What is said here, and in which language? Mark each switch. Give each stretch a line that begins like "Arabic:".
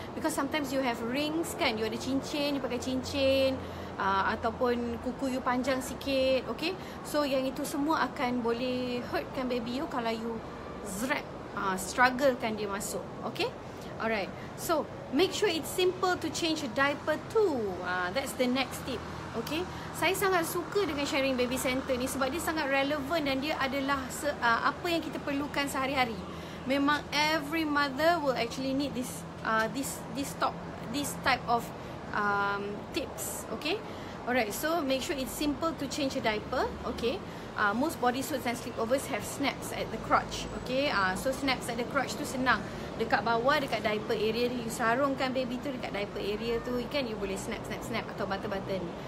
English: Because sometimes you have rings
Malay: kan, you ada cincin, you pakai cincin, ataupun kuku you panjang sikit. Okay, so yang itu semua akan boleh hurtkan baby you kalau you zrap, strugglekan dia masuk. Okay, alright.
English: So make sure it's simple to change a diaper too. That's the next tip.
Malay: Okay, saya sangat suka dengan sharing baby center ni sebab dia sangat relevant dan dia adalah apa yang kita perlukan sehari-hari.
English: Memang every mother will actually need this this type of tips. Okay, alright. So make sure it's simple to change a diaper. Okay, most bodysuits and sleepovers have snaps at the crotch.
Malay: Okay, so
English: snaps at the crotch
Malay: tu senang. Dekat bawah, dekat diaper area, you sarungkan baby tu dekat diaper area tu, kan you boleh snap atau button.